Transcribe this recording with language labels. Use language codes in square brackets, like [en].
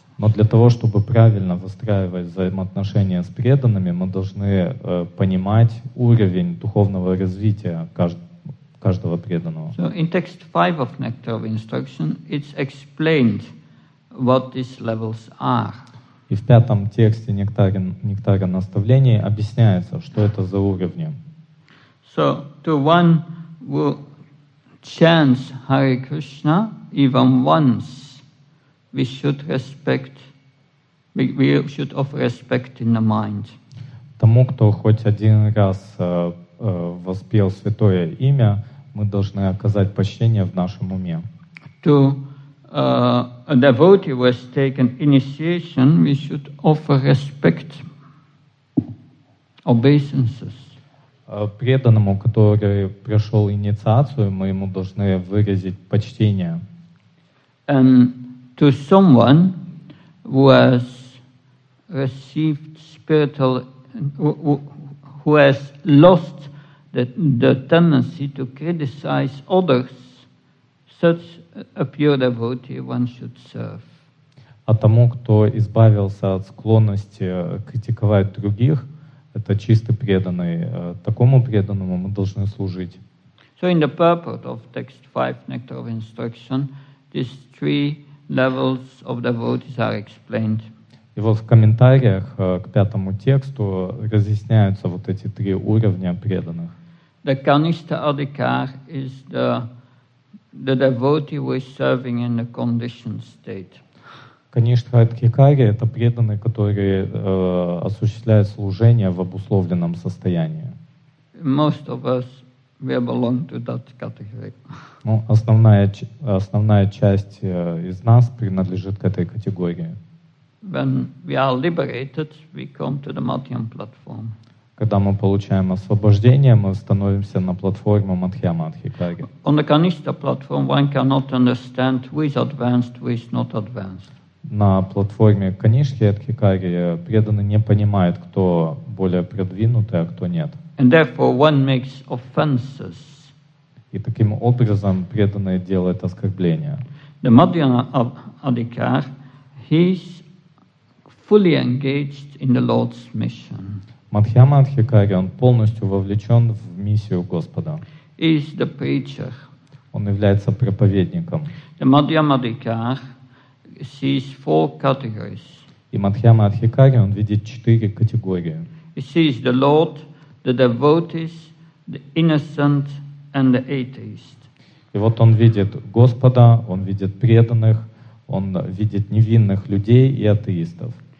[ru] Но для того, чтобы правильно выстраивать взаимоотношения с преданными, мы должны понимать уровень духовного развития каждого преданного. [en] So in text 5 of Nectar of Instruction, it's explained what these levels are. [ru] И в пятом тексте Нектара наставлений объясняется, что это за уровни. [en] So to one who chants Hare Krishna even once, We should offer respect in the mind. [ru] Тому, кто хоть один раз воспел святое имя, мы должны оказать почтение в нашем уме. [en] To a devotee who has taken initiation, we should offer respect, obeisances. [ru] Преданному, который прошел инициацию, мы ему должны выразить почтение. [en] And to someone who has received spiritual, who has lost the tendency to criticize others, such a pure devotee one should serve. [ru] А тому, кто избавился от склонности критиковать других, это чистый преданный, такому преданному мы должны служить. [en] So in the purport of text 5, Nectar of Instruction, these three levels of devotees are explained. [ru] И вот в комментариях к пятому тексту разъясняются вот эти три уровня преданных. [en] The Kanishtha Adhikar is the devotee who is serving in the conditioned state. [ru] Kanishtha Adhikari — это преданный, который осуществляет служение в обусловленном состоянии. [en] Most of us, we belong to that category. [ru] Ну, основная часть из нас принадлежит к этой категории. [en] When we are liberated, we come to the Madhyam platform. [ru] Когда мы получаем освобождение, мы становимся на платформе Мадхьяма Адхикари. [en] On the Kanishtha platform, one cannot understand who is advanced, who is not advanced. [ru] На платформе Канишки Адхикари преданный не понимает, кто более продвинутый, а кто нет. [en] And therefore one makes offenses. [ru] И таким образом преданный делает оскорбление. [en] The Madhyam Adhikar, he is fully engaged in the Lord's mission. [ru] Мадхьяма Адхикари, он полностью вовлечен в миссию Господа. [en] He is the preacher. [ru] Он является проповедником. [en] The Madhyam Adhikar sees four categories. [ru] И Мадхьяма Адхикари, он видит четыре категории. [en] He sees the Lord, the devotees, the innocent, and the atheist. [ru] И вот он видит Господа, он видит преданных, он видит невинных людей и атеистов.